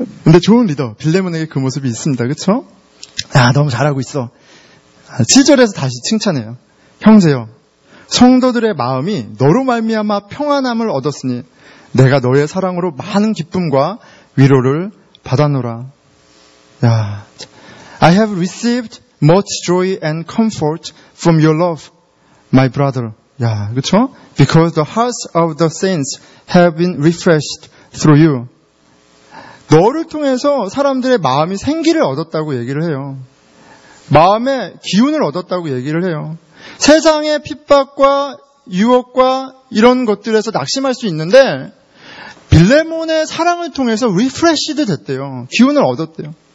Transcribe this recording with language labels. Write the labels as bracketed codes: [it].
[ko] 근데 좋은 리더, 빌레몬에게 그 모습이 있습니다. 그쵸? 야, 너무 잘하고 있어. 7절에서 다시 칭찬해요. 형제여, 성도들의 마음이 너로 말미암아 평안함을 얻었으니, 내가 너의 사랑으로 많은 기쁨과 위로를 받아노라. [en] 야, I have received much joy and comfort from your love, my brother. [ko] 야, 그쵸? [en] Because the hearts of the saints have been refreshed through you. [ko] 너를 통해서 사람들의 마음이 생기를 얻었다고 얘기를 해요. 마음의 기운을 얻었다고 얘기를 해요. 세상의 핍박과 유혹과 이런 것들에서 낙심할 수 있는데 빌레몬의 사랑을 통해서 refreshed 됐대요. 기운을 얻었대요.